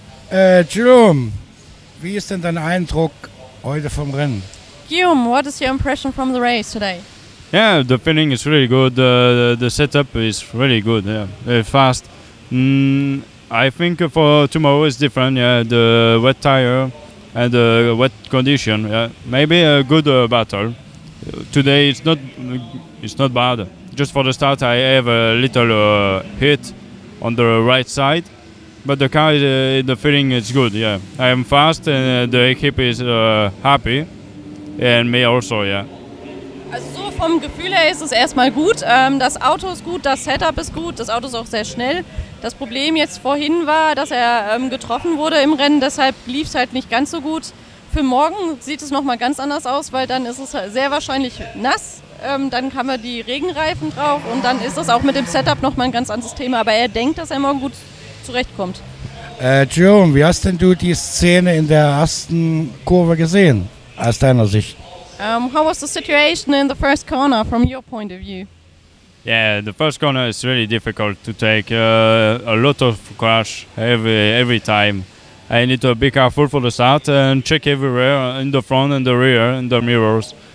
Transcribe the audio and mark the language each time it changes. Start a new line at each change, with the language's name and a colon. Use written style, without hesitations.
German: Jérôme, wie ist denn dein Eindruck heute vom Rennen?
English: Guillaume, what is your impression from the race today? Yeah, the feeling is really good. The setup is really good. Yeah, very fast. I think for tomorrow is different. Yeah, the wet tire and the wet condition. Yeah, maybe a good battle. Today it's not bad. Just for the start, I have a little hit on the right side, but the car, the feeling is good. Yeah, I am fast and the equipe is happy. And me also, yeah.
German: Also vom Gefühl her ist es erstmal gut. Das Auto ist gut, das Setup ist gut, das Auto ist auch sehr schnell. Das Problem jetzt vorhin war, dass er getroffen wurde im Rennen, deshalb lief es halt nicht ganz so gut. Für morgen sieht es nochmal ganz anders aus, weil dann ist es sehr wahrscheinlich nass. Dann haben wir die Regenreifen drauf und dann ist das auch mit dem Setup nochmal ein ganz anderes Thema. Aber er denkt, dass er morgen gut zurechtkommt. Jérôme, wie hast denn du die Szene in der ersten Kurve gesehen? Aus deiner Sicht.
English: How was the situation in the first corner from your point of view? Yeah, the first corner is really difficult to take. A lot of crash every time. I need to be careful for the start and check everywhere in the front and the rear and the mirrors.